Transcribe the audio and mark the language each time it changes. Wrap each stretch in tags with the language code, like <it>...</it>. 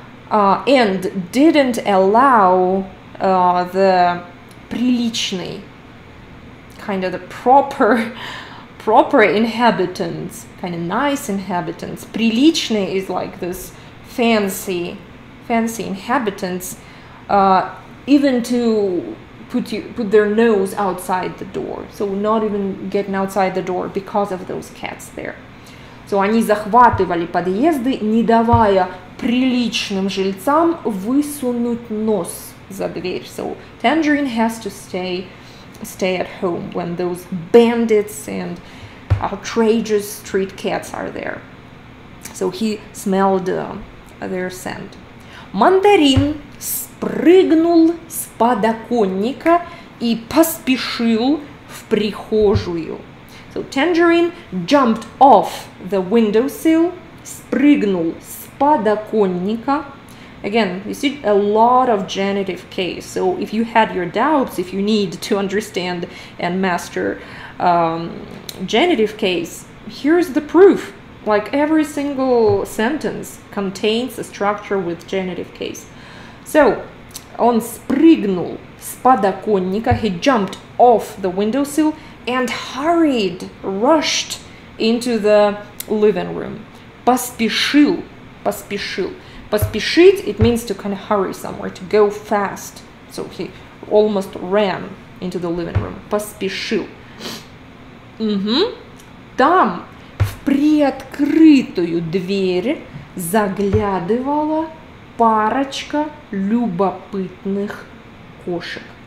<en>And didn't allow the приличный, kind of the proper inhabitants, kind of nice inhabitants. Приличный is like this fancy inhabitants, even to put their nose outside the door. So not even getting outside the door because of those cats there.</en> <ru>So, они захватывали подъезды, не давая приличным жильцам высунуть нос за дверь.</ru> <en>So, Tangerine has to stay at home when those bandits and outrageous street cats are there. So, he smelled their scent.</en> <ru>Мандарин спрыгнул с подоконника и поспешил в прихожую.</ru> <en>So Tangerine jumped off the windowsill,</en> <ru>спрыгнул с подоконника.</ru> <en>Again, you see a lot of genitive case. So if you had your doubts, if you need to understand and master genitive case, here's the proof. Like every single sentence contains a structure with genitive case. So,</en> <ru>он спрыгнул с подоконника,</ru> <en>he jumped off the windowsill and rushed into the living room. Поспешил, it means to kind of hurry somewhere, to go fast. So he almost ran into the living room.</en> <ru>Поспешил. Угу. Там в приоткрытую дверь заглядывала парочка любопытных кошек.</ru>